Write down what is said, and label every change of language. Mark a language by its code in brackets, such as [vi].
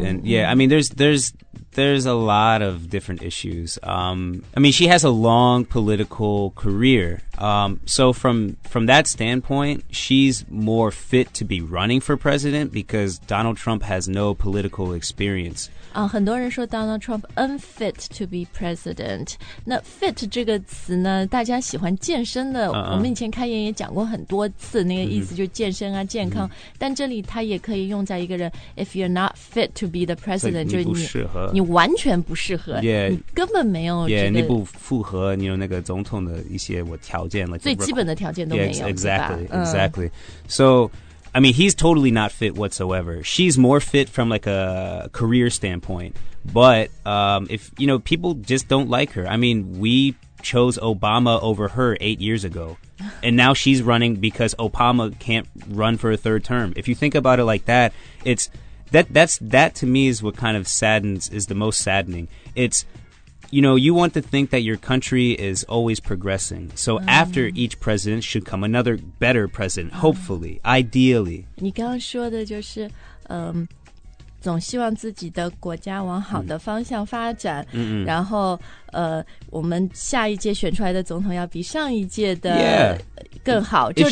[en] And yeah, I mean, there's a lot of different issues. I mean, she has a long political career. So from that standpoint, she's more fit to be running for president because Donald Trump has no political experience. [zh] 很多人说 [en] Donald Trump unfit to be president. [zh] 那 fit 这个词呢，大家喜欢健身的， uh-uh. 我们以前开言也讲过很多次，那个意思就是健身啊， mm-hmm. 健康。Mm-hmm. 但这里它也可以用在一个人 ， [en] if you're not fit to be the president， [zh] 就是你不适合。你完全不适合 [en] yeah, [zh] 你根本没有、这个、 yeah, 你不符合你有那个总统的一些我条件、like、最基本的条件都没有 [en] yeah, exactly. So I mean he's totally not fit whatsoever. She's more fit from like a career standpoint, but if you know people just don't like her. I mean we chose Obama over her 8 years ago and now she's running because Obama can't run for a third term. If you think about it like that, it'sThat to me is what kind of saddens, is the most saddening. It's, you know, you want to think that your country is always progressing. So after each president should come another better president, hopefully, ideally. [zh] 你刚刚说的就是，总希望自己的国家往好的方向发展，然后，我们下一届选出来的总统要比上一届的更好。 [en] Yeah.